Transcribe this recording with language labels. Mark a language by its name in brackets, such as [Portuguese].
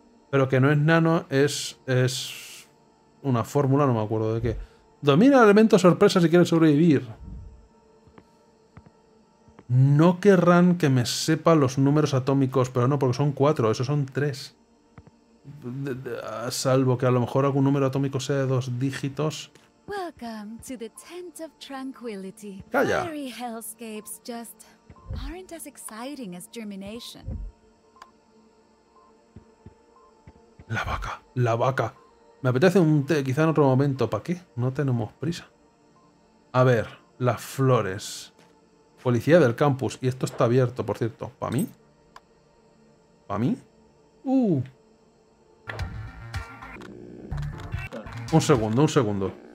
[Spanish] Pero que no es nano, es una fórmula, no me acuerdo de qué. Domina el elemento sorpresa si quieres sobrevivir. No querrán que me sepa los números atómicos, pero no, porque son cuatro, esos son tres. Salvo que a lo mejor algún número atómico sea de dos dígitos. [English] Welcome to the Tent of Tranquility. [Spanish] Calla. [English] Fiery hellscapes just aren't as exciting as germination. [Spanish] La vaca, la vaca. Me apetece un té, quizá en otro momento. ¿Para qué? No tenemos prisa. A ver, las flores. Policía del campus. Y esto está abierto, por cierto. ¿Para mí? ¿Para mí? Un segundo, un segundo.